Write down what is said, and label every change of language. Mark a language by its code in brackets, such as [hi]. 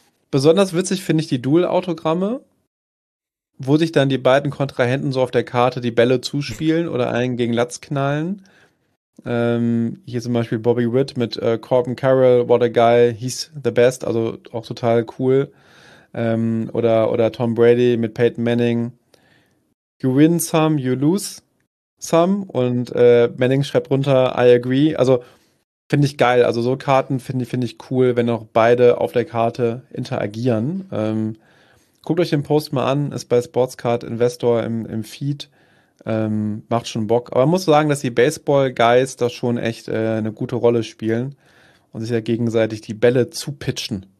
[de] Besonders witzig finde ich die Dual-Autogramme, wo sich dann die beiden Kontrahenten so auf der Karte die Bälle zuspielen oder einen gegen Latz knallen. Hier zum Beispiel Bobby Witt mit Corbin Carroll, [en] what a guy, he's the best, [de] also auch total cool. Oder Tom Brady mit Peyton Manning. [en] You win some, you lose some. [de] Und Manning schreibt runter, [en] I agree. [de] Also finde ich geil. Also so Karten finde ich cool, wenn auch beide auf der Karte interagieren. Guckt euch den Post mal an, ist bei Sportscard Investor im Feed, macht schon Bock. Aber man muss sagen, dass die Baseball-Guys da schon echt eine gute Rolle spielen und sich ja gegenseitig die Bälle zupitchen.